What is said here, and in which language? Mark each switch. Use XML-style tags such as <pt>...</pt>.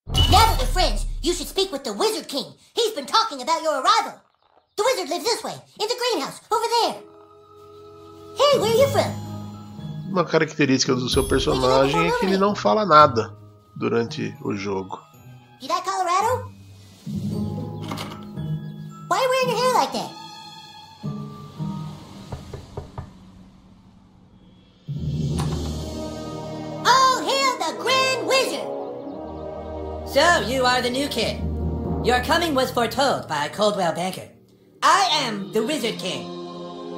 <en>Now that we're friends, you should speak with the Wizard King. He's been talking about your arrival. The wizard lives this way, in the greenhouse, over there.</en> <pt>Uma característica do seu personagem é que ele não fala nada durante o jogo.</pt> <en>Did I call Rattle? Why are you wearing your hair like that? All hail the Grand Wizard! So, you are the new kid. Your coming was foretold by a Coldwell banker. I am the Wizard King.</en>